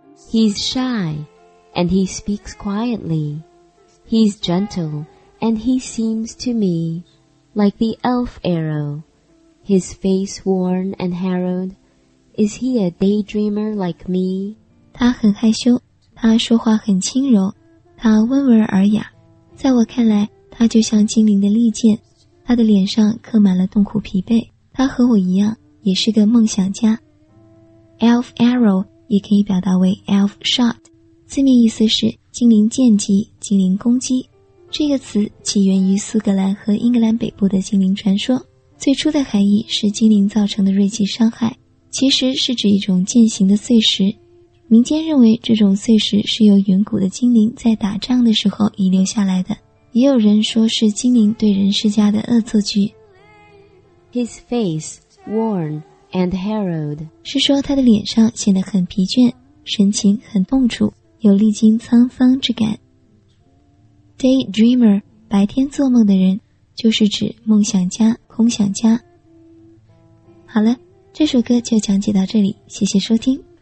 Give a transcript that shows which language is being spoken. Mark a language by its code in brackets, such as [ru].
[en] He's shy, and he speaks quietly. He's gentle, and he seems to me like the elf arrow. His face worn and harrowed, is he a daydreamer like me? [zh] 他很害羞，他说话很轻柔，他温文尔雅。在我看来，他就像精灵的利剑，他的脸上刻满了痛苦疲惫。他和我一样，也是个梦想家。Elf arrow也可以表达为 elf shot, 字面意思是精灵箭击、精灵攻击。这个词起源于苏格兰和英格兰北部的精灵传说，最初的含义是精灵造成的锐器伤害，其实是指一种箭形的碎石。民间认为这种碎石是由远古的精灵在打仗的时候遗留下来的，也有人说是精灵对人施加的恶作剧。 [en] His face worn and harrowed, [zh] 是说他的脸上显得很疲倦，神情很痛楚，有历经沧桑之感。 Daydreamer, 白天做梦的人，就是指梦想家、空想家。好了，这首歌就讲解到这里，谢谢收听。